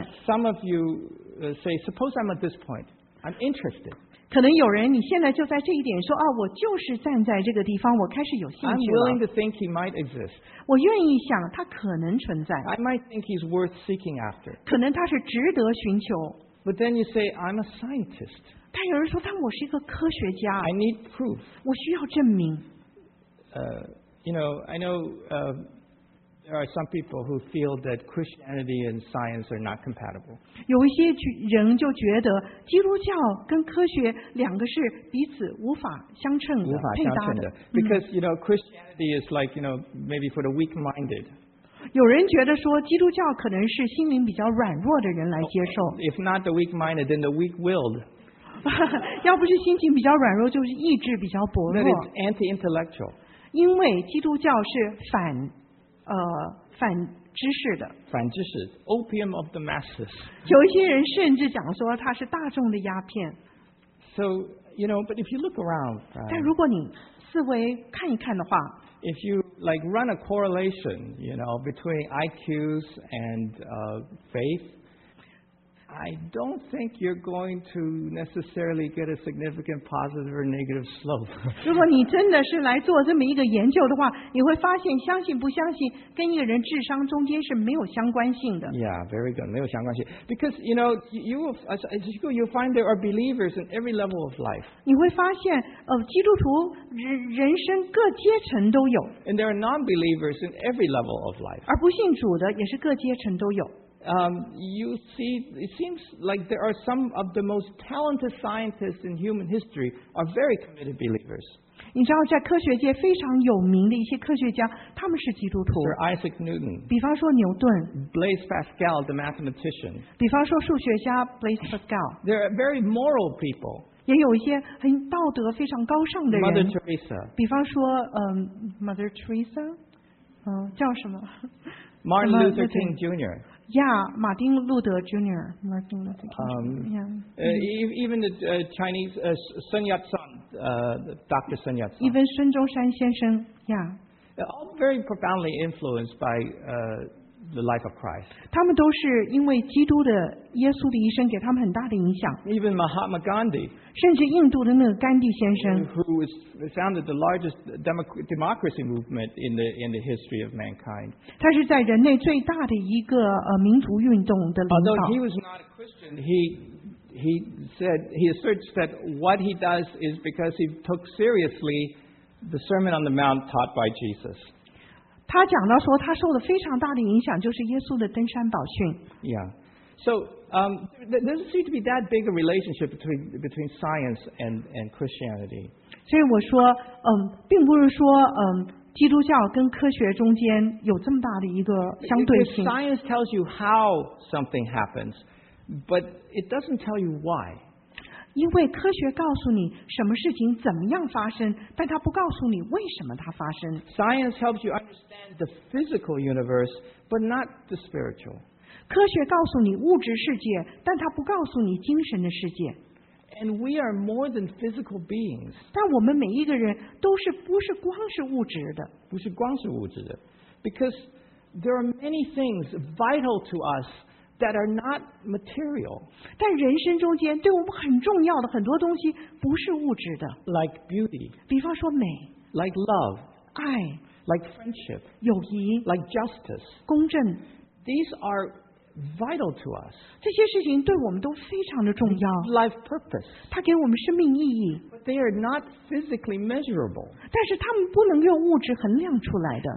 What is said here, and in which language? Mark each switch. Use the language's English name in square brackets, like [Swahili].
[English] Now, some of you say, suppose I'm at this point, I'm interested. [Chinese] 可能有人你现在就在这一点说啊，我就是站在这个地方，我开始有兴趣了。 [English] I'm willing to think he might exist. [Chinese] 我愿意想他可能存在。 [English] I might think he's worth seeking after. [Chinese] 可能他是值得寻求。 [English] But then you say I'm a scientist. [Chinese] 但有人说，但我是一个科学家。 [English] I need proof. [Chinese] 我需要证明。 [English] You know, I know there are some people who feel that Christianity and science are not compatible. [Chinese] 有一些人就觉得基督教跟科学两个是彼此无法相称的，无法相称的。 [English] Because you know, Christianity is like you know maybe for the weak-minded. [Chinese] 有人觉得说基督教可能是心灵比较软弱的人来接受。 [English] If not the weak-minded, then the weak-willed. [Chinese] 要不是心情比较软弱，就是意志比较薄弱。 [English] That is anti-intellectual. [Chinese] 因为基督教是反。反知识的，反知识 ， [English] opium of the masses。 [Chinese] 有一些人甚至讲说它是大众的鸦片。 [English] So you know, but if you look around, [Chinese] 但如果你四围看一看的话 [English] ，if you like run a correlation, you know, between IQs and faith, I don't think you're going to necessarily get a significant positive or negative slope. [Chinese] 如果你真的是来做这么一个研究的话，你会发现相信不相信跟一个人智商中间是没有相关性的。 [English] Yeah, very good. [Chinese] 没有相关性。 [English] Because, you know, you will, as you find there are believers in every level of life. [Chinese] 你会发现基督徒人生各阶层都有。 [English] And there are non-believers in every level of life. [Chinese] 而不信主的也是各阶层都有。 [English] You see, it seems like there are some of the most talented scientists in human history are very committed believers. [Chinese] 你知道，在科学界非常有名的一些科学家，他们是基督徒。 [English] Sir Isaac Newton. [Chinese] 比方说牛顿。 [English] Blaise Pascal, the mathematician. [Chinese] 比方说数学家 Blaise Pascal. [English] They're very moral people. [Chinese] 也有一些很道德非常高尚的人。 [English] Mother Teresa. [Chinese] 比方说Mother Teresa， 叫什么 [English] ？Martin Luther King Jr. Yeah, Martin Luther Jr. Martin Luther King. Even the Chinese Sun Yat-sen, Dr. Sun Yat-sen. Even Sun Zhongshan 先生 yeah. All very profoundly influenced by the life of Christ. [Chinese] 他们都是因为基督的耶稣的一生给他们很大的影响。 [English] Even Mahatma Gandhi. [Chinese] 甚至印度的那个甘地先生。 [English] Who founded the largest democracy movement in the history of mankind. [Chinese] 他是在人类最大的一个民族运动的领导。 [English] Although he was not a Christian, he said he asserts that what he does is because he took seriously the Sermon on the Mount taught by Jesus. [Chinese] 他讲到说，他受了非常大的影响，就是耶稣的登山宝训。 [English] Yeah, so there doesn't seem to be that big a relationship between science and Christianity. [Chinese] 所以我说，并不是说基督教跟科学中间有这么大的一个相对性。 [English] If science tells you how something happens, but it doesn't tell you why. [Chinese] 因为科学告诉你什么事情怎么样发生，但它不告诉你为什么它发生。 [English] Science helps you understand the physical universe, but not the spiritual. [Chinese] 科学告诉你物质世界，但它不告诉你精神的世界。 [English] And we are more than physical beings. [Chinese] 但我们每一个人都是不是光是物质的。不是光是物质的。 [English] Because there are many things vital to us. That are not material. [Chinese] 但人生中间对我们很重要的很多东西不是物质的。 [English] Like beauty. [Chinese] 比方说美。 [English] Like love. [Chinese] 爱。 [English] Like friendship. [Chinese] 友谊。 [English] Like justice. [Chinese] 公正。 [English] These are vital to us. [Chinese] 这些事情对我们都非常的重要。 [English] Life purpose. [Chinese] 它给我们生命意义。 [English] They are not physically measurable. [Chinese] 但是他们不能用物质衡量出来的。